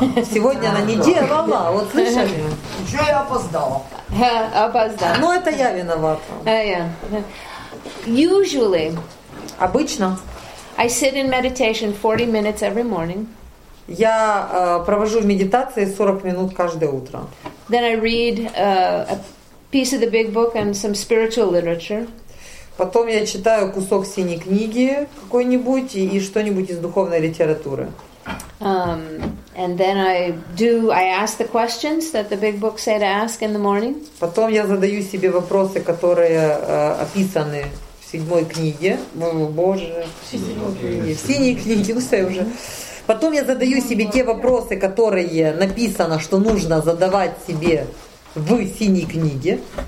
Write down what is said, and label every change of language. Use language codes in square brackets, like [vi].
[ru] Сегодня она не делала. Вот слышали? Еще я опоздала. Опоздала. Но это я виновата. [en] Usually... [ru] Обычно... [en] I sit in meditation 40 minutes every morning. [ru] Я провожу в медитации 40 минут каждое утро. [en] Then I read a piece of the big book and some spiritual literature. [ru] Потом я читаю кусок синей книги какой-нибудь и что-нибудь из духовной литературы. [en] And then I ask the questions that the big book say to ask in the morning. [ru] Потом я задаю себе вопросы, которые описаны в седьмой книге. Боже, в синей книге, ну все уже. Потом я задаю себе те вопросы, которые написано, что нужно задавать себе в синей книге.